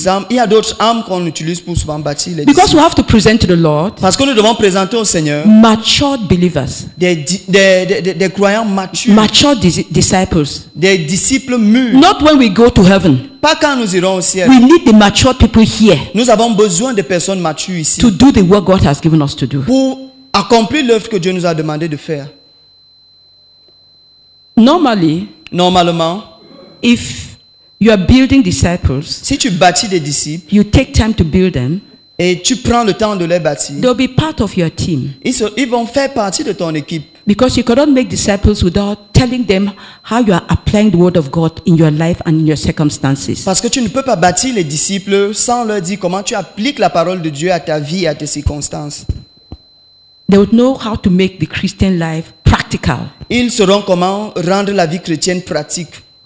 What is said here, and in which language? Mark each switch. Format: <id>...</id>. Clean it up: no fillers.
<fr>Il y a d'autres armes qu'on utilise pour souvent bâtir les disciples.</fr> <en>Because we have to present to the Lord.</en> <fr>Parce que nous devons présenter au Seigneur.</fr> <en>Matured believers.</en> <fr>Des croyants matures.</fr> <en>Matured disciples.</en> <fr>Des disciples mûrs.</fr> <en>Not when we go to heaven.</en> <fr>Pas quand nous irons au ciel.</fr> <en>We need the mature people here.</en> <fr>Nous avons besoin de personnes matures ici.</fr> <en>To do the work God has given us to do.</en> <fr>Pour accomplir l'œuvre que Dieu nous a demandé de faire. Normalement,</fr> <en>if you are building disciples,</en> <fr>si tu bâtis des disciples,</fr> <en>you take time to build them,</en> <fr>et tu prends le temps de les bâtir,</fr> <en>they'll be part of your team.</en> <fr>Ils vont faire partie de ton équipe.</fr> <en>Because you cannot make disciples without telling them how you are applying the word of God in your life and in your circumstances.</en> <fr>Parce que tu ne peux pas bâtir les disciples sans leur dire comment tu appliques la parole de Dieu à ta vie et à tes circonstances.</fr> <en>They would know how to make the Christian life practical.</en> <fr>Ils sauront comment rendre la vie chrétienne pratique.</fr>